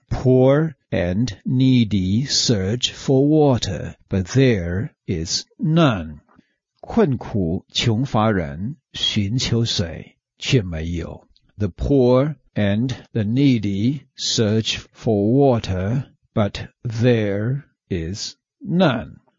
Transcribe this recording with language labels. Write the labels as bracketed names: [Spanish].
[English] Poor and needy search for water, but there is none. [Chinese] 困苦穷乏人寻求水却没有。 [English] The poor and the needy search for water, but there is none.